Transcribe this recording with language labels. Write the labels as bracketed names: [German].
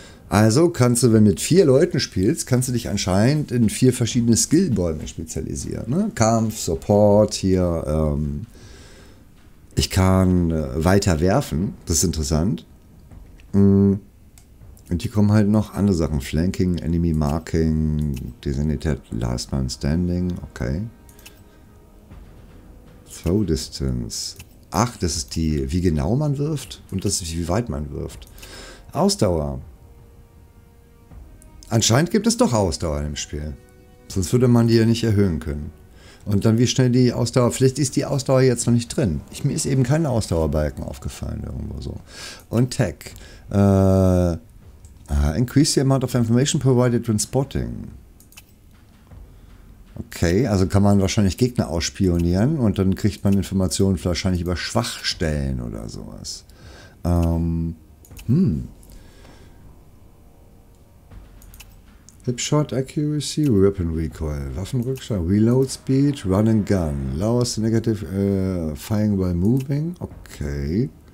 [German] Also kannst du, wenn du mit 4 Leuten spielst, kannst du dich anscheinend in 4 verschiedene Skillbäume spezialisieren. Ne? Kampf, Support, hier. Ich kann weiter werfen. Das ist interessant. Und hier kommen halt noch andere Sachen. [English] Flanking, Enemy Marking, Designated Last Man Standing. Okay. Throw Distance. [German] Ach, das ist die, wie genau man wirft und das ist, wie weit man wirft. Ausdauer. Anscheinend gibt es doch Ausdauer im Spiel. Sonst würde man die ja nicht erhöhen können. Und dann wie schnell die Ausdauer, vielleicht ist die Ausdauer jetzt noch nicht drin. Mir ist eben kein Ausdauerbalken aufgefallen irgendwo so. Und Tech. [English] Increase the amount of information provided when spotting. [German] Okay, also kann man wahrscheinlich Gegner ausspionieren und dann kriegt man Informationen wahrscheinlich über Schwachstellen oder sowas. [English] Hipshot Accuracy, Weapon Recoil, Waffenrückstand, Reload Speed, Run and Gun, lowers the negative firing while moving. Okay.